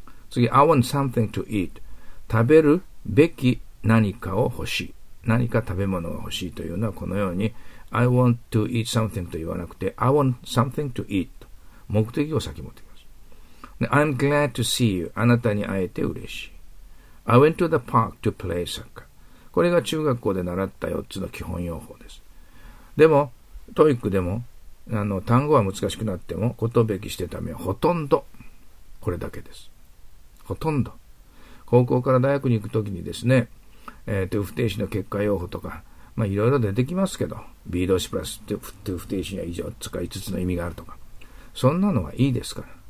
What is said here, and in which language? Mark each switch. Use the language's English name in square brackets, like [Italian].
[Japanese] 次、 [English] I want something to eat. [Japanese] 食べるべき何かを欲しい。何か食べ物が欲しいというのはこのように [English] I want to eat something [Japanese] と言わなくて [English] I want something to eat [Japanese] と目的を先持ってきます。 [English] I'm glad to see you. [Japanese] あなたに会えて嬉しい。 [English] I went to the park to play soccer. [Japanese] これが中学校で習った4つの基本用法です。でも、TOEIC でもあの単語は難しくなっても、ことべきしてためはほとんどこれだけです。ほとんど。高校から大学に行くときにですね、トゥーフ停止の結果用法とか、まあいろいろ出てきますけど、B 動詞プラストゥーフ停止には以上、つか5つの意味があるとか、そんなのはいいですから。